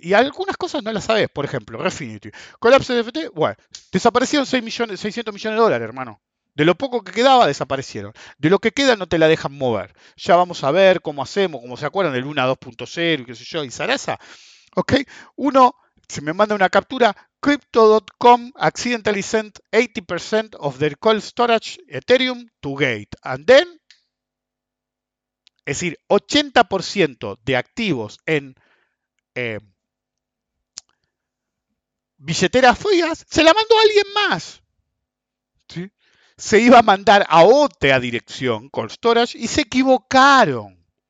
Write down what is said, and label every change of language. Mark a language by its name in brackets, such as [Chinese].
[Spanish] Y algunas cosas no las sabes. Por ejemplo, Refinitiv. Colapso de FT. Bueno, desaparecieron 6 millones, 600 millones de dólares, hermano. De lo poco que quedaba, desaparecieron. De lo que queda, no te la dejan mover. Ya vamos a ver cómo hacemos. Como se acuerdan, el Luna 2.0 y qué sé yo, y Sarasa. ¿Ok? Uno, se me manda una captura. [English] Crypto.com accidentally sent 80% of their cold storage Ethereum to Gate. And then, [Spanish] es decir, 80% de activos en billeteras frías, se la mandó a alguien más. ¿Sí? Se iba a mandar a otra dirección, cold storage, y se equivocaron.